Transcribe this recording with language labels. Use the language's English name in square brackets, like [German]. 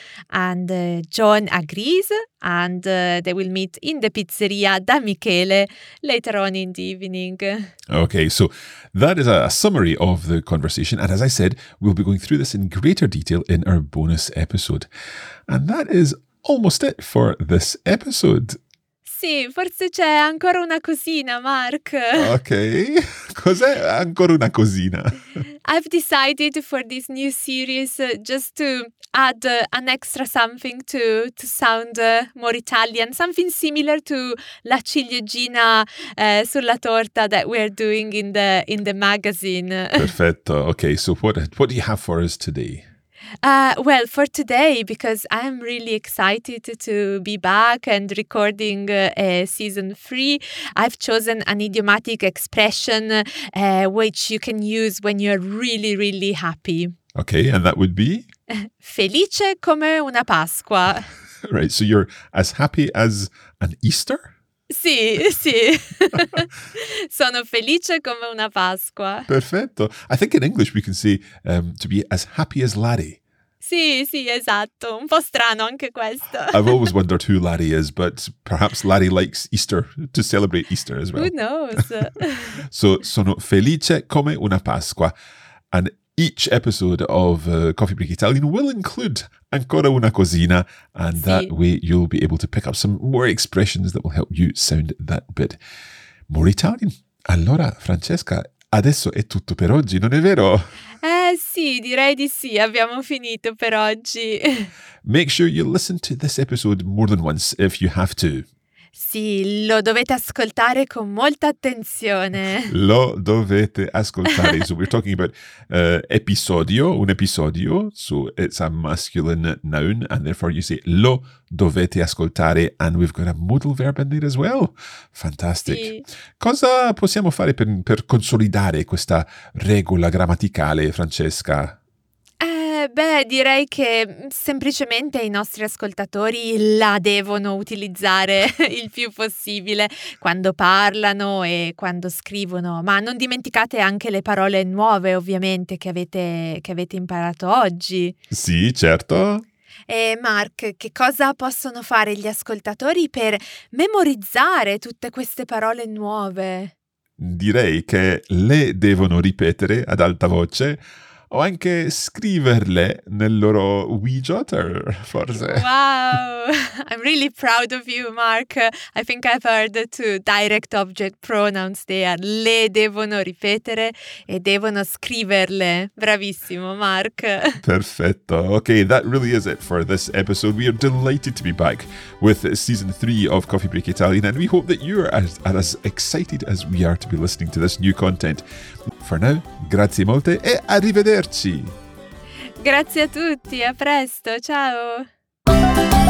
[English] And John agrees, and they will meet in the pizzeria da Michele later on in the evening. Okay, so that is a summary of the conversation. And as I said, we'll be going through this in greater detail in our bonus episode. And that is almost it for this episode. [Italian] Sì, forse c'è ancora una cosina, Mark. Okay, cos'è ancora una cosina? [English] I've decided for this new series just to add an extra something to sound more Italian, something similar to [Italian] la ciliegina sulla torta [English] that we're doing in the magazine. [Italian] Perfetto. [English] Okay, so what do you have for us today? Well, for today, because I'm really excited to be back and recording season 3, I've chosen an idiomatic expression which you can use when you're really, really happy. Okay, and that would be? [Italian] Felice come una Pasqua. [English] Right, so you're as happy as an Easter? [Italian] Sì, sì. Sono felice come una Pasqua. Perfetto. [English] I think in English we can say to be as happy as Larry. [Italian] Sì, sì, esatto. Un po' strano anche questo. [English] I've always wondered who Larry is, but perhaps Larry likes Easter, to celebrate Easter as well. Who knows? [Italian] So, sono felice come una Pasqua. [English] And each episode of Coffee Break Italian will include [Italian] ancora una cosina, [English] and [Italian] si, [English] that way you'll be able to pick up some more expressions that will help you sound that bit more Italian. [Italian] Allora, Francesca, adesso è tutto per oggi, non è vero? Sì, direi di sì, abbiamo finito per oggi. [English] Make sure you listen to this episode more than once if you have to. [Italian] Sì, lo dovete ascoltare con molta attenzione. Lo dovete ascoltare. [English] So we're talking about episodio, [Italian] un episodio. [English] So it's a masculine noun, and therefore you say [Italian] lo dovete ascoltare, [English] and we've got a modal verb in there as well. Fantastic. [Italian] Sì. Cosa possiamo fare per consolidare questa regola grammaticale, Francesca? Beh, direi che semplicemente i nostri ascoltatori la devono utilizzare il più possibile quando parlano e quando scrivono. Ma non dimenticate anche le parole nuove, ovviamente, che avete imparato oggi. Sì, certo. E Mark, che cosa possono fare gli ascoltatori per memorizzare tutte queste parole nuove? Direi che le devono ripetere ad alta voce, o anche scriverle nel loro WeJotter, forse. [English] Wow! I'm really proud of you, Mark. I think I've heard the two direct object pronouns there. [Italian] Le devono ripetere e devono scriverle. Bravissimo, Mark. Perfetto. [English] Okay, that really is it for this episode. We are delighted to be back with season 3 of Coffee Break Italian, and we hope that you are as excited as we are to be listening to this new content. For now, [Italian] grazie molte e arrivederci. Grazie a tutti, a presto, ciao.